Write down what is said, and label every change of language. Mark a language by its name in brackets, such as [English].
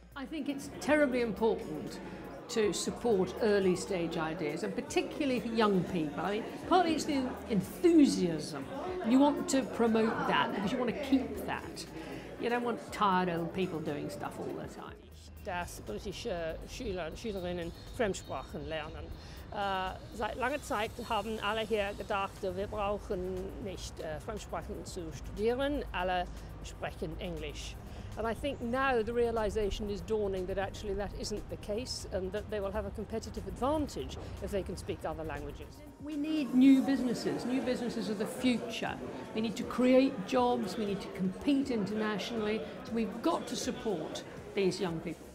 [English] I think it's terribly important to support early stage ideas, and particularly for young people. I mean, partly it's the enthusiasm. You want to promote that because you want to keep that. You don't want tired old people doing stuff all the time. [German] Das britische Schüler und Schülerinnen Fremdsprachen lernen. Seit langer Zeit haben alle hier gedacht, wir brauchen nicht Fremdsprachen zu studieren, alle sprechen Englisch. [English] And I think now the realization is dawning that actually that isn't the case and that they will have a competitive advantage if they can speak other languages. We need new businesses. New businesses are the future. We need to create jobs, we need to compete internationally. We've got to support these young people.